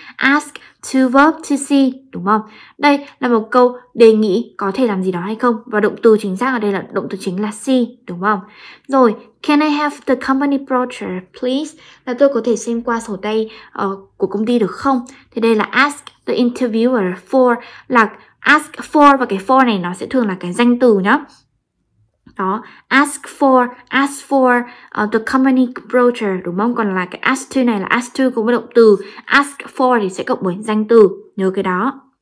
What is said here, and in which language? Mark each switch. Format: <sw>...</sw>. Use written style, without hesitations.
<en>Ask to verb to see,</en> <vi>đúng không? Đây là một câu đề nghị có thể làm gì đó hay không? Và động từ chính xác ở đây là động từ chính là see, đúng không?</vi> <en>Rồi, can I have the company brochure, please?</en> <vi>Là tôi có thể xem qua sổ tay của công ty được không? Thì đây là</vi> <en>ask the interviewer for,</en> <vi>là ask for, và cái for này nó sẽ thường là cái danh từ nhá. Đó,</vi> <en>ask for the company brochure,</en> <vi>đúng không? Còn là cái ask to này là ask to cũng có động từ, ask for thì sẽ cộng với danh từ, nhớ cái đó.</vi>